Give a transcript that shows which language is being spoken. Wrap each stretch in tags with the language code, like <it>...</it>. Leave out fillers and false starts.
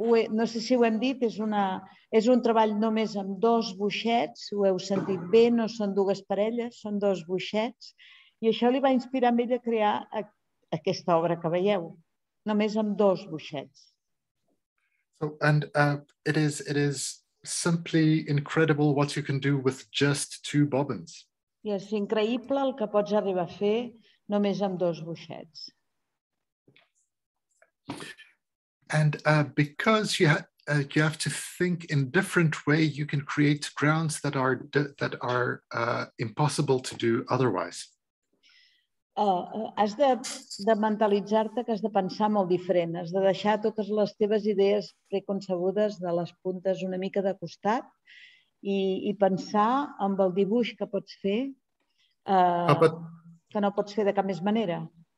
<ca>No sé si ho hem dit, és un treball només amb dos boixets, ho heu sentit bé, no són dues parelles, són dos boixets, i això li va inspirar a ell a crear aquesta obra que veieu, només amb dos boixets.</ca> <en>So, and it is simply incredible what you can do with just two bobbins.</en> <ca>I és increïble el que pots arribar a fer només amb dos boixets.</ca> <en>And because you have to think in different way, you can create grounds that are impossible to do otherwise.</en> <ca>Has de mentalitzar-te que has de pensar molt diferent. Has de deixar totes les teves idees preconcebudes de les puntes una mica de costat i pensar amb el dibuix que pots fer, que no pots fer de cap més manera.</ca>